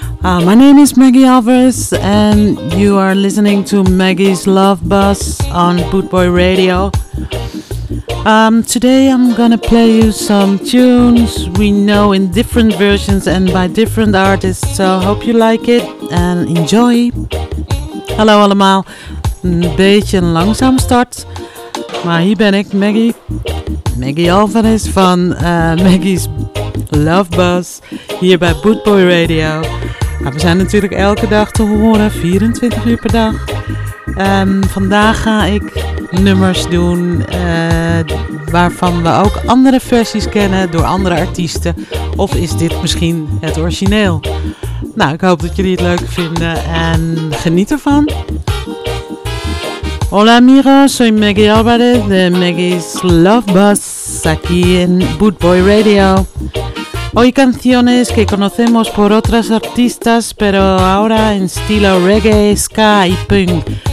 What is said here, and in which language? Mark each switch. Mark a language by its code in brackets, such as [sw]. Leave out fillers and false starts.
[en] My name is Maggie Alvarez, and you are listening to Maggie's Love Bus on Boot Boy Radio. Today I'm gonna play you some tunes we know in different versions and by different artists, so hope you like it and enjoy. [nl] Hallo allemaal, een beetje een langzaam start, maar hier ben ik, Maggie Alvarez van Maggie's Love Bus, hier bij Boot Boy Radio. We zijn natuurlijk elke dag te horen, 24 uur per dag. Vandaag ga ik nummers doen waarvan we ook andere versies kennen door andere artiesten. Of is dit misschien het origineel? Nou, ik hoop dat jullie het leuk vinden en geniet ervan. [es] Hola amigos, soy Maggie Alvarez de Maggie's Love Bus aquí en Boot Boy Radio. Hoy canciones que conocemos por otras artistas, pero ahora en estilo reggae, ska y punk.